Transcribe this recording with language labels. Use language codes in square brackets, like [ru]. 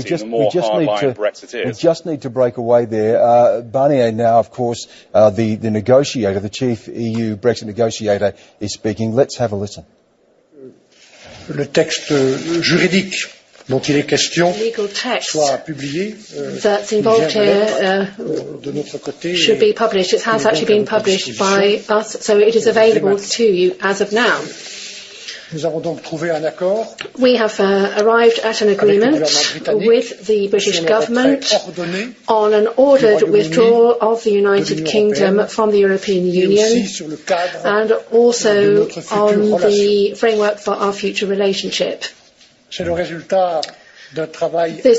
[en] We just need to break away there. Barnier now, of course, the negotiator, the chief EU Brexit negotiator, is speaking. Let's have a listen. [fr] Le texte juridique dont il est question soit publié, [en] that's involved here [fr] de notre côté, [en] should be published. It has actually been published by us, so it is available to you as of now. [fr] Nous avons donc trouvé un accord. [en] We have arrived at an agreement with the British government on an ordered withdrawal of the United Kingdom from the European Union and also on the framework for our future relationship. [fr] C'est le résultat d'un travail intensif.